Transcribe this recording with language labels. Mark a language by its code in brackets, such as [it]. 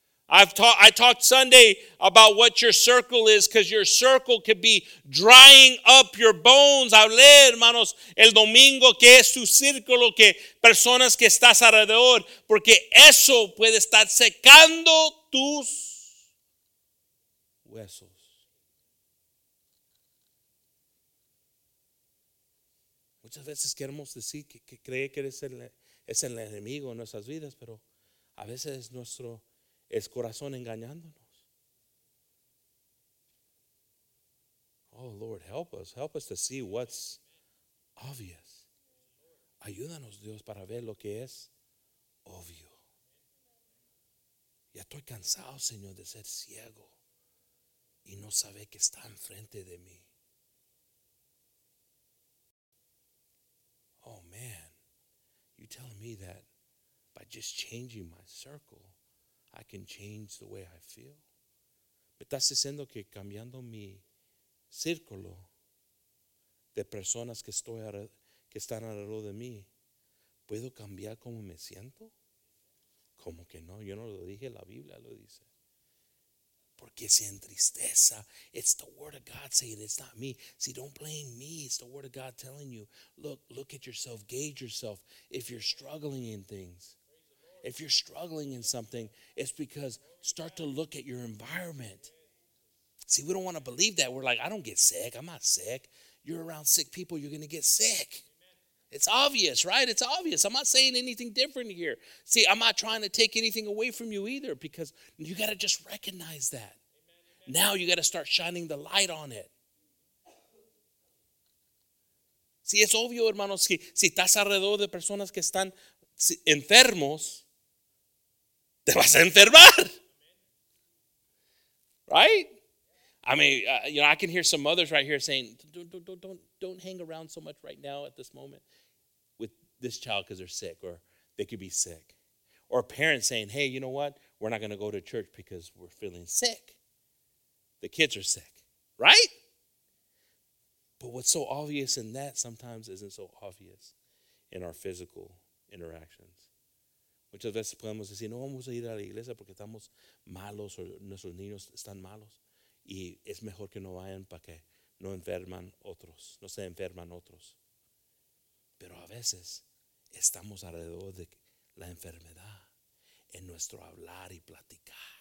[en] I talked Sunday about what your circle is, because your circle could be drying up your bones. [es] Hablé, hermanos, el domingo, que es tu círculo, que personas que estás alrededor, porque eso puede estar secando tus huesos. Muchas veces queremos decir que cree que es el enemigo en nuestras vidas, pero a veces es nuestro corazón engañándonos. [en] Oh Lord, help us to see what's obvious. [es] Ayúdanos, Dios, para ver lo que es obvio. Ya estoy cansado, Señor, de ser ciego y no saber que está enfrente de mí. [en] Oh man, you telling me that by just changing my circle, I can change the way I feel? [es] Me estás diciendo que cambiando mi círculo de personas que están alrededor de mí, puedo cambiar cómo me siento? Como que no, yo no lo dije, la Biblia lo dice. Porque si en tristeza, [en] it's the word of God saying, it's not me. See, don't blame me. It's the word of God telling you, look at yourself, gauge yourself. If you're struggling in things, If you're struggling in something, it's because start to look at your environment. See, we don't want to believe that. We're like, I don't get sick. I'm not sick. You're around sick people, you're going to get sick. It's obvious, right? It's obvious. I'm not saying anything different here. See, I'm not trying to take anything away from you either, because you got to just recognize that. Amen. Now you got to start shining the light on it. [es] Si es obvio, hermanos, que si estás alrededor de personas que están enfermos, te vas a enfermar. [en] Right? I mean, you know, I can hear some mothers right here saying, don't hang around so much right now at this moment with this child because they're sick, or they could be sick. Or parents saying, hey, you know what? We're not going to go to church because we're feeling sick. The kids are sick, right? But what's so obvious in that sometimes isn't so obvious in our physical interactions. [es] Muchas veces podemos decir, no vamos a ir a la iglesia porque estamos malos o nuestros niños están malos. Y es mejor que no vayan para que no enferman otros, no se enferman otros. Pero a veces estamos alrededor de la enfermedad en nuestro hablar y platicar.